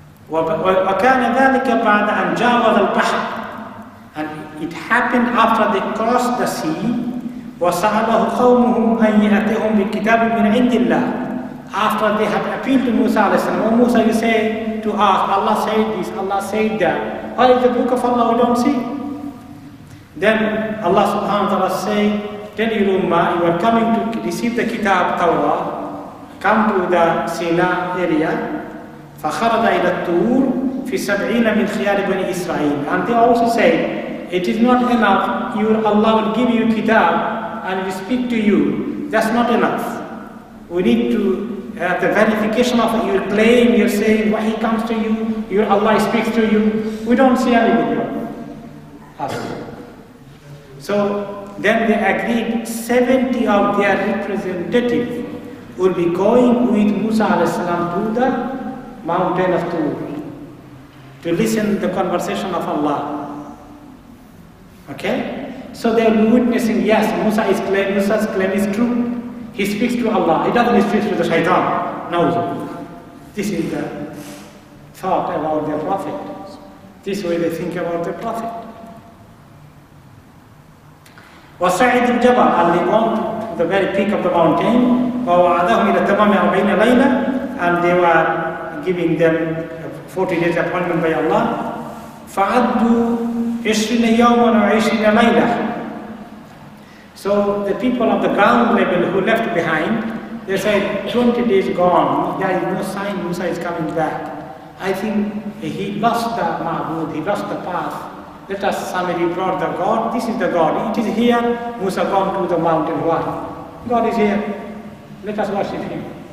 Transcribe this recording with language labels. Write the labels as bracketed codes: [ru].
[ar] وكان ذلك بعد أن جاوز البحر. [en] And it happened after they crossed the sea. [ar] وسأله قومه أن يأتيهم بكتاب من عند الله. [en] After they had appealed to Musa عليه السلام. And Musa, you say to ask, Allah said this, Allah said that. What is the book of Allah we don't see? Then Allah subhanahu wa ta'ala said, tell your Ummah, you are coming to receive the kitab Tawrah. Come to the Sina area. [ar] فخرج إلى الطور في سبعين من خيار بني إسرائيل. [en] And they also say, it is not enough. Your Allah will give you kitab and we speak to you. That's not enough. We need to have the verification of your claim. You're saying wahi comes to you. Your Allah speaks to you. We don't see anybody. So then they agreed 70 of their representatives will be going with Musa alayhi salam to the mountain of Tur to listen to the conversation of Allah. Okay? So they are witnessing, yes, Musa's claim is true. He speaks to Allah. He doesn't speak to the shaitan. No. This is the thought about the Prophet. This way they think about the Prophet. [ar] وصعد الجبل [en] and they went to the very peak of the mountain. [ar] ووعدهم إلى تمام أربعين ليلة [en] and they were giving them 40 days appointment by Allah. [ar] فعدوا عشرين يوما وعشرين ليلة. [en] So the people of the ground level who left behind, they said 20 days gone. There is no sign Musa is coming back. I think he lost the Ma'bud, he lost the path. Let us summary brought the God. This is the God. It is here. Musa gone to the mountain. What? God is here. Let us worship him.